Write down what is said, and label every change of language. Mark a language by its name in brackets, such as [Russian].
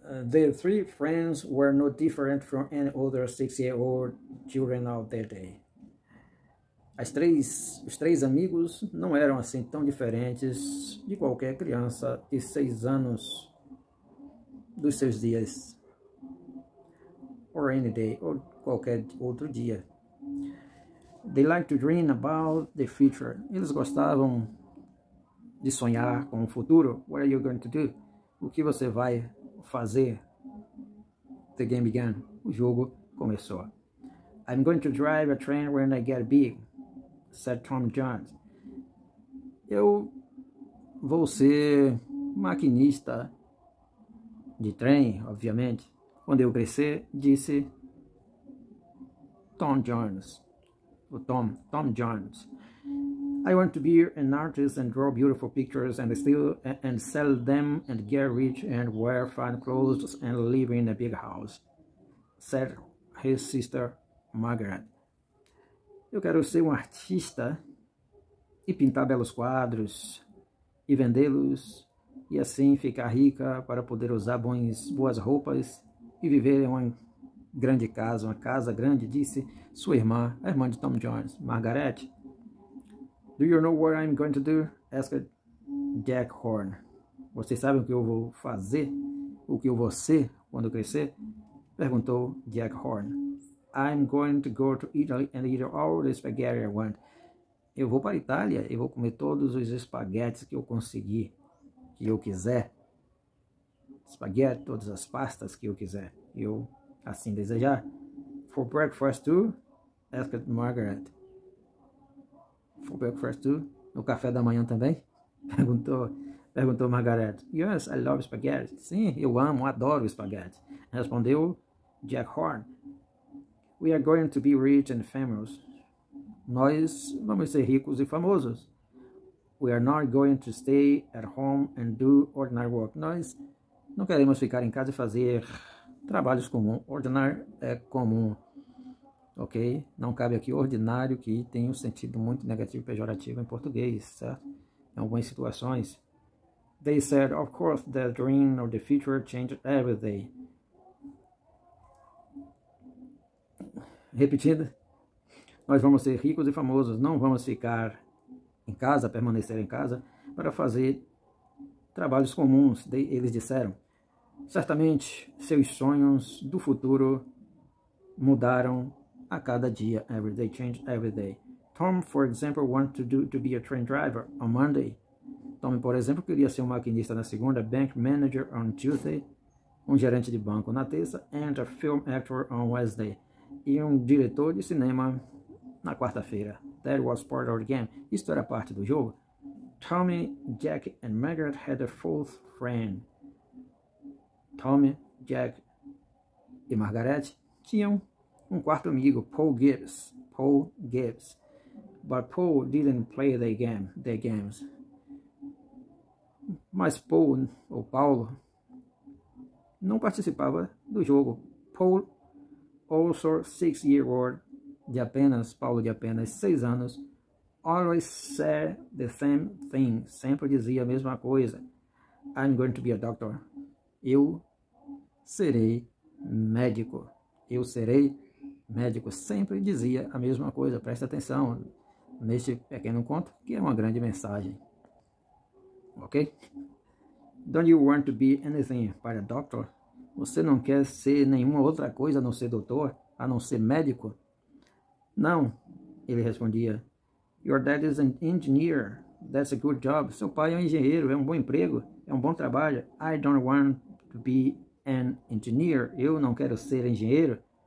[English] The three friends were no different from any other six-year-old children of their day. [Portuguese] Os três amigos não eram assim tão diferentes de qualquer criança de 6 anos dos seus dias, [English] or any day, [Portuguese] ou qualquer outro dia. [English] They liked to dream about the future. [Portuguese] Eles gostavam de sonhar com o futuro. [English] What are you going to do? [Portuguese] O que você vai fazer? [English] The game began. [Portuguese] O jogo começou. [English] I'm going to drive a train when I get big, said Tom Jones. [Portuguese] Eu vou ser maquinista de trem, obviamente, quando eu crescer, disse Tom Jones. Tom Jones. [English] I want to be an artist and draw beautiful pictures and steal and sell them and get rich and wear fine clothes and live in a big house, said his sister Margaret. [Portuguese] Eu quero ser um artista e pintar belos quadros e vendê-los e assim ficar rica para poder usar boas roupas e viver em uma grande casa, uma casa grande, disse sua irmã, a irmã de Tom Jones, Margaret. [English] Do you know what I'm going to do? Asked Jack Horn. [Portuguese] Você sabe o que eu vou fazer? O que eu vou ser quando crescer? Perguntou Jack Horn. [English] I'm going to go to Italy and eat all the spaghetti I want. [Portuguese] Eu vou para a Itália e vou comer todos os espaguetes que eu conseguir, que eu quiser. Espaguete, todas as pastas que eu quiser. Eu assim desejar. [English] For breakfast too? Asked Margaret. For breakfast too? [Portuguese] No café da manhã também? Perguntou Margaret. [English] Yes, I love spaghetti. [Portuguese] Sim, eu amo, adoro espaguete. Respondeu Jack Horn. [English] We are going to be rich and famous. [Portuguese] Nós vamos ser ricos e famosos. [English] We are not going to stay at home and do ordinary work. [Portuguese] Nós não queremos ficar em casa e fazer trabalhos comuns. Ordinário é comum. Ok? Não cabe aqui ordinário, que tem um sentido muito negativo e pejorativo em português, certo? Em algumas situações. [English] They said, of course, the dream of the future changed every day. [Portuguese] Repetindo, nós vamos ser ricos e famosos, não vamos ficar em casa, permanecer em casa, para fazer trabalhos comuns, eles disseram. Certamente, seus sonhos do futuro mudaram a cada dia, [English] every day, change every day. Tom, for example, wanted to be a train driver on Monday. [Portuguese] Tom, por exemplo, queria ser um maquinista na segunda, [English] bank manager on Tuesday, [Portuguese] um gerente de banco na terça, [English] and a film actor on Wednesday. [Portuguese] E um diretor de cinema na quarta-feira. [English] That was part of the game. [Portuguese] Isto era parte do jogo. [English] Tommy, Jack and Margaret had a fourth friend. [Portuguese] Tommy, Jack e Margaret tinham um quarto amigo, Paul Gibbs. [English] Paul Gibbs. But Paul didn't play their games. [Portuguese] Mas Paul, ou Paulo, não participava do jogo. [English] Paul also, 6-year-old, [Portuguese] Paulo de apenas 6 anos, [English] always said the same thing, [Portuguese] sempre dizia a mesma coisa. [English] I'm going to be a doctor. [Portuguese] Eu serei médico. Eu serei médico. Sempre dizia a mesma coisa. Presta atenção neste pequeno conto, que é uma grande mensagem. Ok? [English] Don't you want to be anything but a doctor? [Portuguese] Você não quer ser nenhuma outra coisa a não ser doutor, a não ser médico? Não, ele respondia. [English] Your dad is an engineer. That's a good job. [Portuguese] Seu pai é um engenheiro, é um bom emprego, é um bom trabalho. [English] I don't want to be an engineer. [Portuguese] Eu não quero ser engenheiro.